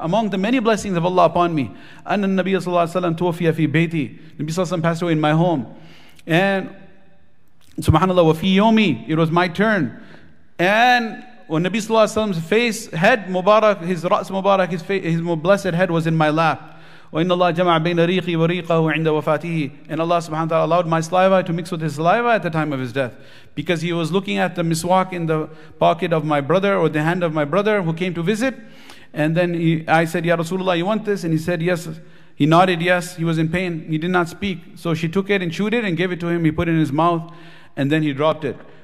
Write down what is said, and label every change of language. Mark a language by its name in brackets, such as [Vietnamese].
[English] Among the many blessings of Allah upon me, [Arabic] anna Nabi sallallahu alayhi wa sallam tuwafiya fi bayti. [English] Nabi sallallahu alayhi wa sallam passed away in my home. And subhanallah [Arabic] wa fi yomi, [English] it was my turn. And when Nabi sallallahu alayhi wa sallam's face, head mubarak, his ra's mubarak, his blessed head was in my lap. [Arabic] وإن الله جمع بين ريقي وريقه عند وفاته. [English] And Allah subhanahu wa ta'ala allowed my saliva to mix with his saliva at the time of his death, because he was looking at the miswak in the pocket of my brother, or the hand of my brother who came to visit. And then I said, Ya Rasulullah, you want this? And he said, yes. He nodded yes. He was in pain. He did not speak. So she took it and chewed it and gave it to him. He put it in his mouth and then he dropped it.